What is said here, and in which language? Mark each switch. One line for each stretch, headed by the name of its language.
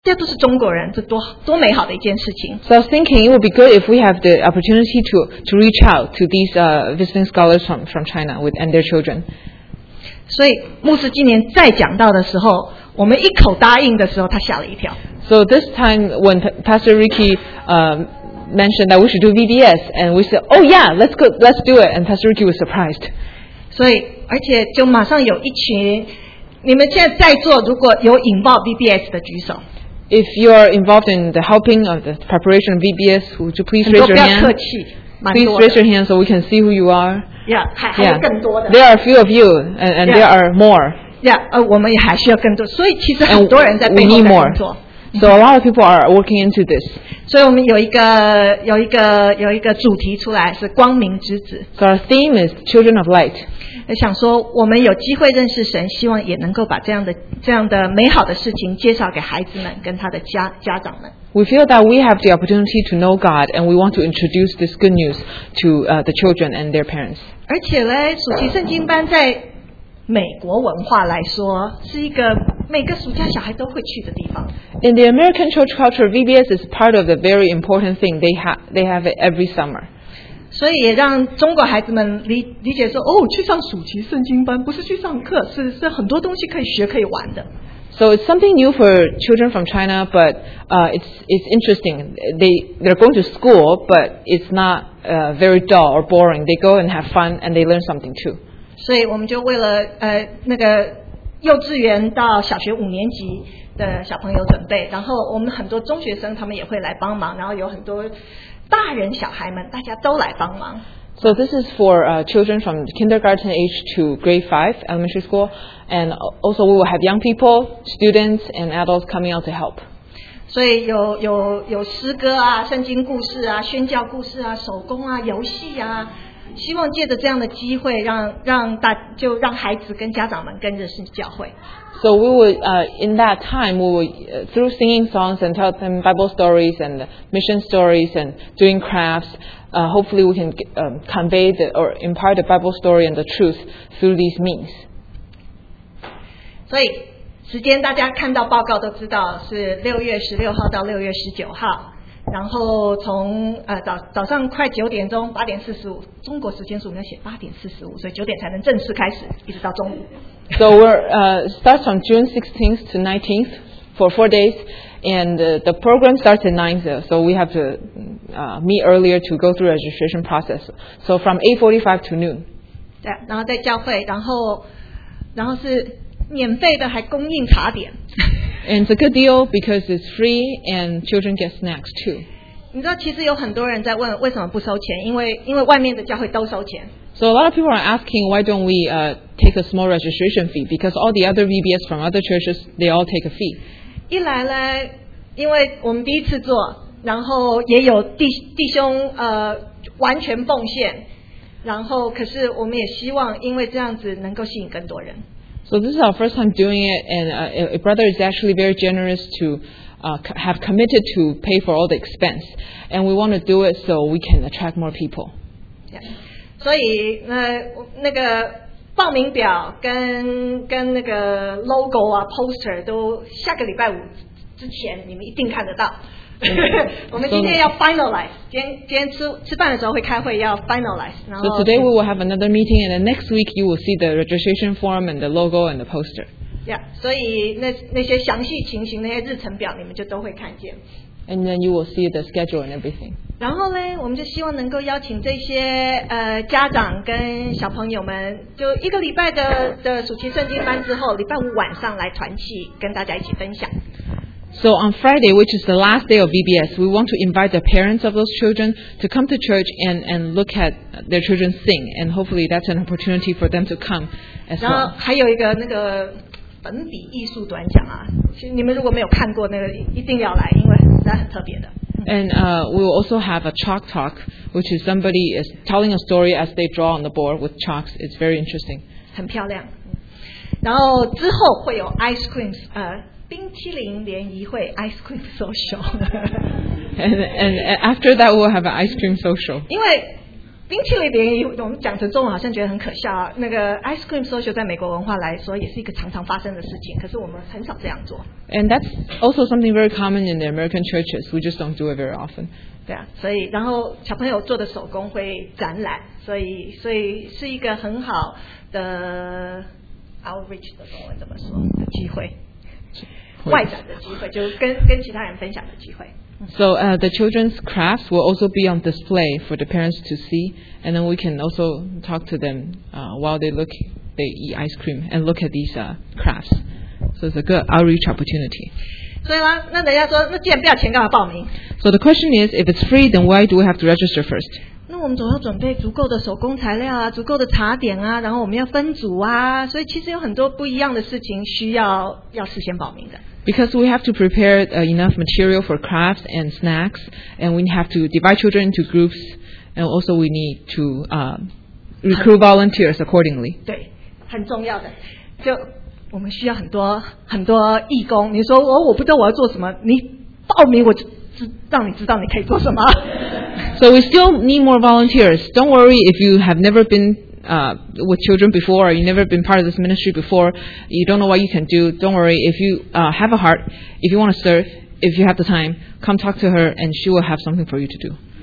Chinese: 这都是中国人，这多多美好的一件事情。
English: So I was thinking it would be good if we have the opportunity to reach out to these visiting scholars from China with and their children.
Chinese: 所以牧师今年再讲到的时候，我们一口答应的时候，他吓了一跳。
English: So this time when Pastor Ricky mentioned that we should do VBS, and we said, "Oh yeah, let's go, let's do it." And Pastor Ricky was surprised.
Chinese: 所以而且就马上有一群。你们现在在座如果有
English: involved
Chinese: VBS 的举手。
English: If you are involved in the helping of the preparation of VBS, would you please raise your hand?
Chinese: 很多不要客气，蛮多的。
English: Please raise your hand so we can see who you are.
Chinese: Yeah, 还有更多的。
English: There are a few of you, and there are more.
Chinese: Yeah, 我们也还需要更多，所以其实很多人在背后在工作。
English: And we need more. So a lot of people are working into this.
Chinese: 所以我们有一个主题出来是光明之子。
English: So our theme is Children of Light.
Chinese: 想说我们有机会认识神，希望也能够把这样的美好的事情介绍给孩子们跟他的家长们。
English: We feel that we have the opportunity to know God, and we want to introduce this good news to the children and their parents.
Chinese: 而且嘞，暑期圣经班在美国文化来说是一个每个暑假小孩都会去的地方。
English: In the American church culture, VBS is part of the very important thing they have it every summer.
Chinese: 所以也让中国孩子们理解说，哦，去上暑期圣经班不是去上课，是很多东西可以学可以玩的。
English: So it's something new for children from China, but it's interesting. They're going to school, but it's not very dull or boring. They go and have fun and they learn something too.
Chinese: 所以我们就为了那个幼稚园到小学五年级的小朋友准备，然后我们很多中学生他们也会来帮忙，然后有很多。大人小孩们大家都来帮忙。
English: So this is for children from kindergarten age to grade 5 elementary school, and also we will have young people, students and adults coming out to help.
Chinese: 所以有诗歌啊，圣经故事啊，宣教故事啊，手工啊，游戏啊，希望借着这样的机会让孩子跟家长们跟着是教会。
English: So we would in that time we would through singing songs and tell them Bible stories and mission stories and doing crafts, hopefully we can convey the or impart the Bible story and the truth through these means.
Chinese: 所以时间大家看到报告都知道是6月16号到6月19号。然后从早上快九点钟，八点四十五，中国时间是我们要写八点四十五，所以九点才能正式开始，一直到中午。
English: So we're starts from June 16th to 19th for 4 days, and the program starts at 9, so we have to meet earlier to go through registration process. So from 8:45 to noon.
Chinese: 对，然后在教会，然后是免费的，还供应茶点。
English: And it's a good deal because it's free and children get snacks too.
Chinese: 你知道其实有很多人在问为什么不收钱，因为外面的教会都收钱。
English: So a lot of people are asking why don't we take a small registration fee because all the other VBS from other churches, they all take a fee.
Chinese: 一来呢，因为我们第一次做，然后也有弟兄完全奉献，然后可是我们也希望因为这样子能够吸引更多人。
English: So this is our first time doing it, and a brother is actually very generous to have committed to pay for all the expense. And we want to do it so we can attract more people.
Chinese: Yeah. 所以那个报名表跟那个
English: logo
Chinese: 啊
English: poster
Chinese: 都下个礼拜五之前你们一定看得到。我们今天要
English: finalize,
Chinese: 今天吃饭的时候会开会要
English: finalize,
Chinese: 然后
English: So today we will have another meeting and then next week you will see the registration form and the logo and the poster.
Chinese: Yeah, 所以那些详细情形那些日程表你们就都会看见。
English: And then you will see the schedule and everything.
Chinese: 然后呢我们就希望能够邀请这些家长跟小朋友们就一个礼拜的暑期圣经班之后礼拜五晚上来团契跟大家一起分享。
English: So on Friday, which is the last day of VBS, we want to invite the parents of those children to come to church and look at their children sing. And hopefully that's an opportunity for them to come as well.
Chinese: 然后还有一个那个粉笔艺术短讲啊，你们如果没有看过那个一定要来，因为实在很特别的。
English: And we will also have a chalk talk, which is somebody is telling a story as they draw on the board with chalks. It's very interesting.
Chinese: 很漂亮。然后之后会有
English: ice creams,
Chinese: 冰淇淋联谊会
English: ice cream social. and after that, we'll have an ice cream social.
Chinese: 因为冰淇淋，我们讲成中文好像觉得很可笑，那个
English: ice cream social
Chinese: 在美国文化来说也是一个常常发生的事情，可是我们很少这样做。
English: And that's also something very common in the American churches. We just don't do it very often.
Chinese: 对啊，所以然后小朋友做的手工会展览，所以是一个很好的
English: outreach
Chinese: 的中文怎么说的机会，外展的机会，就是跟其他人分享的机会。
English: So the children's crafts will also be on display for the parents to see, and then we can also talk to them while they eat ice cream and look at these crafts. So it's a good outreach opportunity. So the question is, if it's free, then why do we have to register first?
Chinese: 那我们总要准备足够的手工材料啊，足够的茶点啊，然后我们要分组啊，所以其实有很多不一样的事情需要事先报名的。
English: Because we have to prepare enough material for crafts and snacks, and we have to divide children into groups, and also we need to recruit volunteers accordingly.
Chinese: 对，很重要的，就我们需要很多很多义工。你说我不知道我要做什么，你报名我就让你知道你可以做什么。
English: So we still need more volunteers. Don't worry if you have never been with children before, or you've never been part of this ministry before, you don't know what you can do. Don't worry. If you have a heart, if you want to serve, if you have the time, come talk to her and she will have something for you to do.